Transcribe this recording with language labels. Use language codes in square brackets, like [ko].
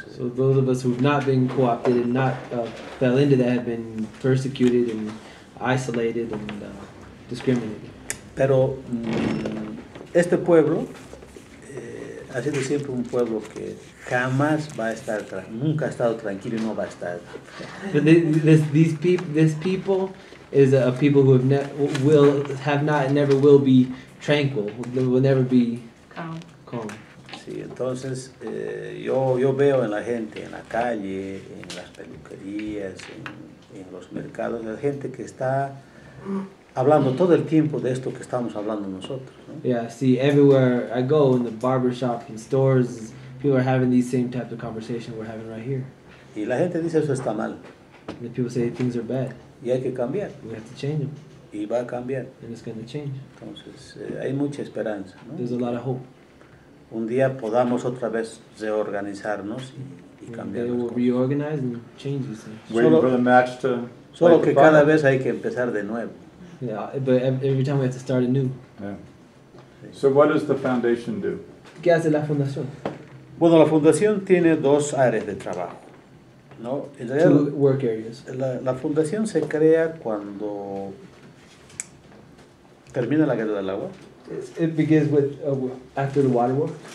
[en] so those of us who have not been co-opted and not fell into that have been persecuted and isolated and discriminated. [es] Pero este pueblo ha sido siempre un pueblo que jamás va a estar nunca ha estado tranquilo y no va a estar. [en] This people is a people who will never be tranquil. They will never be calm. [es] Sí, entonces yo veo en la gente, en la calle, en las peluquerías, en los mercados, la gente que está hablando todo el tiempo de esto que estamos hablando nosotros, ¿no? [en] Yeah, see, everywhere I go, in the barbershop, in stores, people are having these same type of conversation we're having right here. [es] Y la gente dice eso está mal. [en] And the people say things are bad. [es] Y hay que cambiar. [en] We have to change them. [es] Y va a cambiar. [en] And it's going to change. [es] Entonces, hay mucha esperanza, ¿no? [en] There's a lot of hope. [es] Un día podamos otra vez reorganizarnos y cambiar [en] they [es] las [en] will [es] cosas. [en] Reorganize and change these things. Waiting solo, for the match to... [es] Solo que fire. Cada vez hay que empezar de nuevo. [en] Yeah, but every time we have to start anew. Yeah. So what does the foundation do? [es] ¿Qué hace la fundación? Bueno, la fundación tiene dos áreas de trabajo, ¿no? En realidad, [en] two work areas. [es] La fundación se crea cuando termina la guerra del agua. [en] It begins with after the water war.